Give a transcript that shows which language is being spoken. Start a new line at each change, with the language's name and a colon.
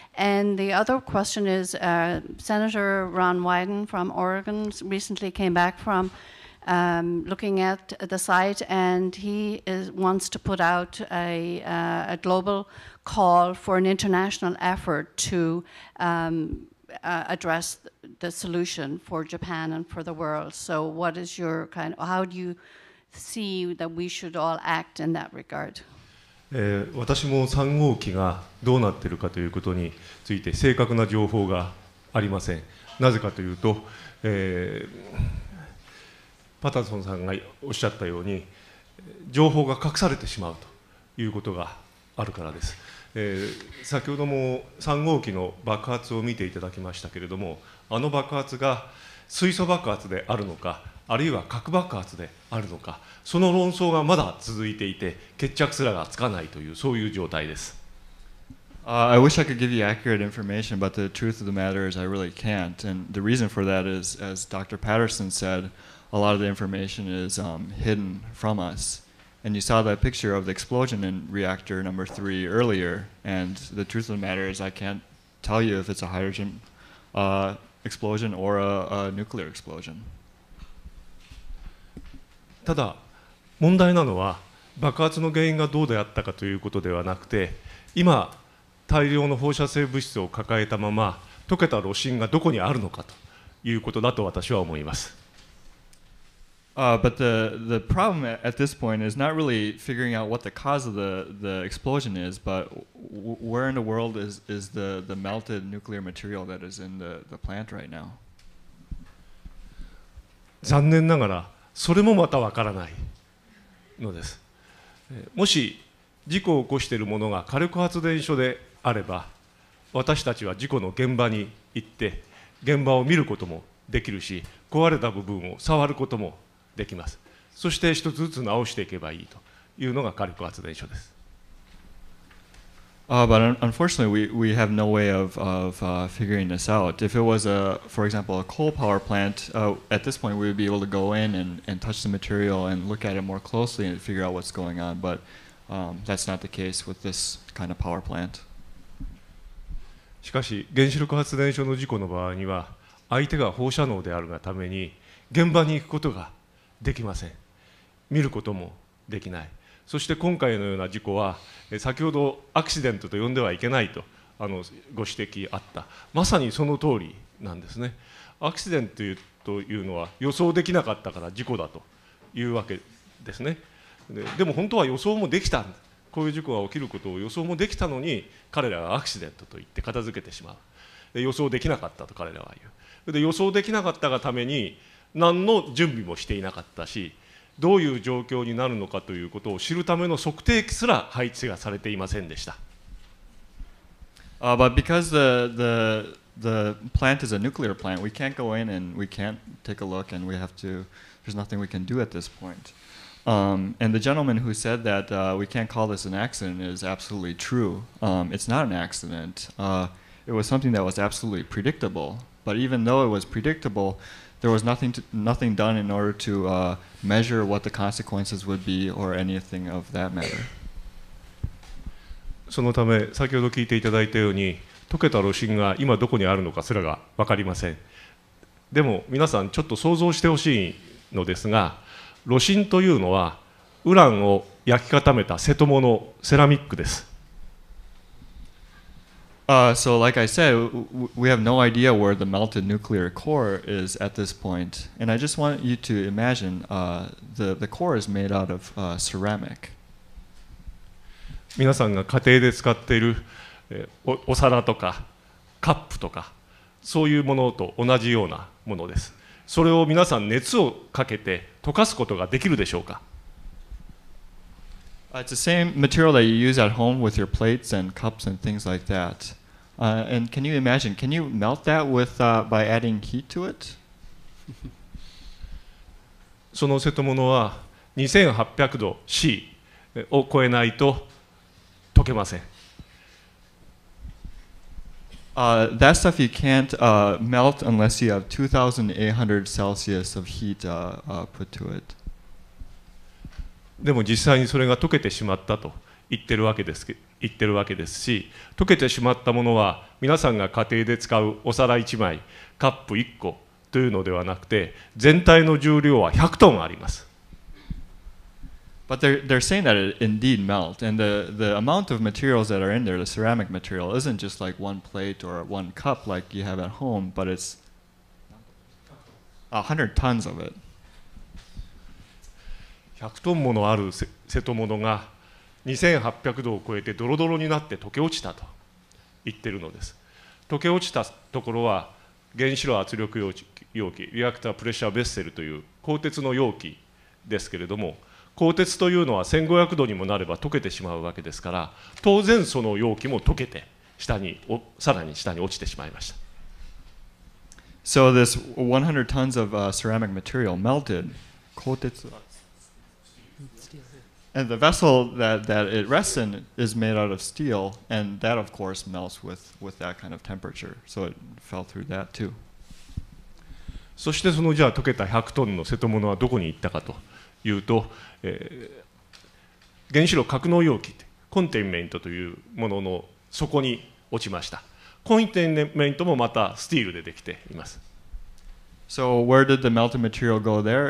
English: And the other question is, Senator Ron Wyden from Oregon recently came back from looking at the site, and he wants to put out a global call for an international effort to address the solution for Japan and for the world. So what is your kind of, how do you see that we should all act in that regard?
Japanese: 私も3号機がどうなっているかということについて正確な情報がありません。なぜかというと、パタソンさんがおっしゃったように情報が隠されてしまうということがあるからです。先ほども3号機の爆発を見ていただきましたけれども、あの爆発が水素爆発であるのか、あるいは核爆発であるのか、その論争がまだ続いていて決着すらがつかないという、そういう状態です。
English: I wish I could give you accurate information, but the truth of the matter is I really can't. And the reason for that is, as Dr. Patterson said, a lot of the information is hidden from us. And you saw that picture of the explosion in reactor number three earlier. And the truth of the matter is I can't tell you if it's a hydrogen explosion or a nuclear explosion.
Japanese: ただ問題なのは、爆発の原因がどうであったかということではなくて、今大量の放射性物質を抱えたまま溶けた炉心がどこにあるのかということだと私は思います。
English: But the problem at this point is not really figuring out what the cause of the explosion is, but where in the world is the melted nuclear material that is in the plant right now?
Japanese: 残念ながらそれもまたわからないのです。もし事故を起こしているものが火力発電所であれば、私たちは事故の現場に行って現場を見ることもできるし、壊れた部分を触ることもできます。そして一つずつ直していけばいいというのが火力発電所です。
English: But unfortunately, we have no way of figuring this out. If it was, for example, a coal power plant, at this point, we would be able to go in and touch the material and look at it more closely and figure out what's going on. But that's not the case with this kind of power plant.
Japanese: しかし、原子力発電所の事故の場合には、相手が放射能であるがために、現場に行くことができません。見ることもできない。そして今回のような事故は、先ほどアクシデントと呼んではいけないとご指摘あった、まさにその通りなんですね。アクシデントというのは予想できなかったから事故だというわけですね。でも本当は予想もできた、こういう事故が起きることを予想もできたのに、彼らはアクシデントと言って片付けてしまう。予想できなかったと彼らは言う。で、予想できなかったがために何の準備もしていなかったし、どういう状況になるのかということを知るための測定器すら配置がされていませんでした。
English: But because the plant is a nuclear plant, we can't go in and we can't take a look, and we have to, there's nothing we can do at this point. And the gentleman who said that we can't call this an accident is absolutely true. It's not an accident. It was something that was absolutely predictable. But even though it was predictable,there was nothing done in order to measure what the consequences would be or anything of that matter.
Japanese: そのため、先ほど聞いていただいたように、溶けた炉心が今どこにあるのかすらが分かりません。でも皆さんちょっと想像してほしいのですが、炉心というのはウランを焼き固めた瀬戸物セラミックです。
English: So like I said, we have no idea where the melted nuclear core is at this point. And I just want you to imagine the core is made out of ceramic.
Japanese: 皆さんが家庭で使っている お皿とかカップとか、そういうものと同じようなものです。それを皆さん熱をかけて溶かすことができるでしょうか？
English: It's the same material that you use at home with your plates and cups and things like that. And can you imagine, can you melt that with, by adding heat to it?
Japanese: その瀬戸物は2800度 C を超えないと溶けません。
English: That stuff you can't melt unless you have 2,800 Celsius of heat put to it.
Japanese: でも実際にそれが溶けてしまったと言ってるわけです、言ってるわけですし、溶けてしまったものは皆さんが家庭で使うお皿1枚、カップ1個というのではなくて、全体の重量は100トンあります。
English: But they're saying that it indeed melt, and the amount of materials that are in there, the ceramic material, isn't just like one plate or one cup like you have at home, but it's 100 tons of it.
Japanese: 100トンものある瀬戸物が2800度を超えてドロドロになって溶け落ちたと言ってるのです。溶け落ちたところは原子炉圧力容器、リアクタープレッシャーベッセルという鋼鉄の容器ですけれども、鋼鉄というのは1500度にもなれば溶けてしまうわけですから、当然その容器も溶けて下にさらに下に落ちてしまいました。
English: So this 100 tons of ceramic material melted, 鋼鉄 and the vessel that it rests in is made out of steel, and that of course melts with that kind of temperature, so it fell through that too.
Japanese: そしてそのじゃあ溶けた100トンの瀬戸物はどこに行ったかというと、原子炉格納容器ってコンテインメントというものの底に落ちました。コンテインメントもまたスティールでできています。
English: So where did the melted material go there?